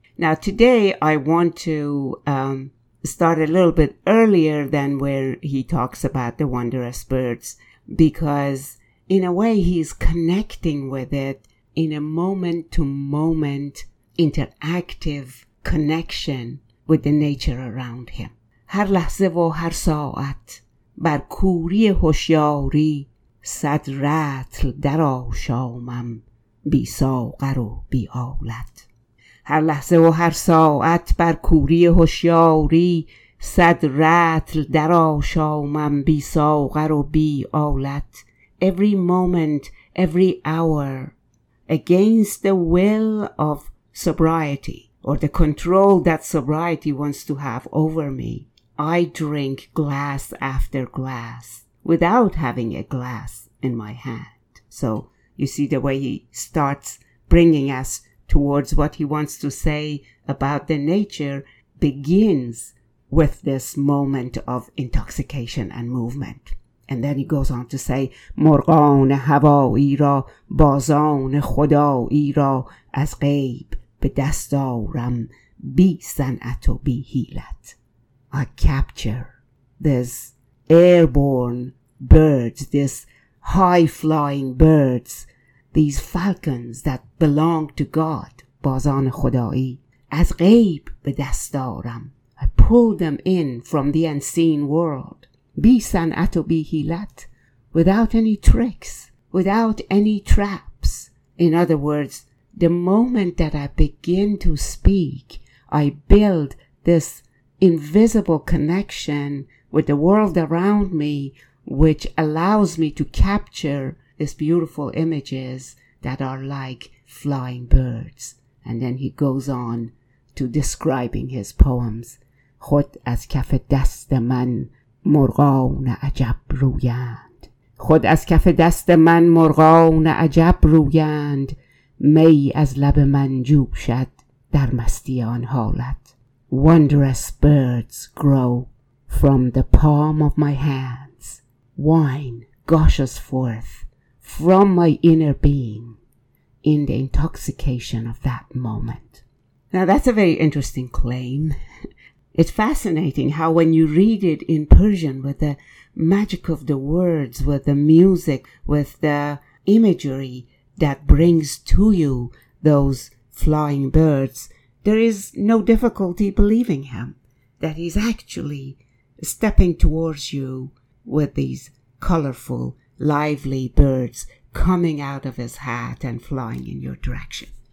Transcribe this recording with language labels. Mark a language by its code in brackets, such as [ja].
[en] Now, today I want to start a little bit earlier than where he talks about the wondrous birds, because in a way he's connecting with it in a moment-to-moment interactive connection with the nature around him. [fa] هر لحظه و هر ساعت بر کوری هوشیاری صد رتل در آشامم بی ساغر و بی آلت. هر لحظه و هر ساعت بر کوری هوشیاری صد رتل در آشامم بی ساغر و بی آلت. [en] Every moment, every hour, against the will of sobriety, or the control that sobriety wants to have over me, I drink glass after glass without having a glass in my hand. So you see the way he starts bringing us towards what he wants to say about the nature begins with this moment of intoxication and movement. And then he goes on to say, [fa] مرغان هوایی را بازان خدایی را از غیب به دست آورم بی صنعت و بی حیلت. [en] I capture this airborne birds, this high-flying birds, these falcons that belong to God, [fa] بازان خدایی, از غیب به دست آورم. [en] I pull them in from the unseen world, [fa] بی صنعت و بی حیلت, [en] without any tricks, without any traps. In other words, the moment that I begin to speak, I build this invisible connection with the world around me, which allows me to capture these beautiful images that are like flying birds. And then he goes on to describing his poems. [fa] خود از کف دست من مرغان عجب رویند. خود از کف دست من مرغان عجب رویند. می از لب من جوشد در مستی آن حالت. [en] Wondrous birds grow from the palm of my hands. Wine gushes forth from my inner being in the intoxication of that moment. Now, that's a very interesting claim. It's fascinating how when you read it in Persian with the magic of the words, with the music, with the imagery that brings to you those flying birds, there is no difficulty believing him, that he's actually stepping towards you with these colorful, lively birds coming out of his hat and flying in your direction.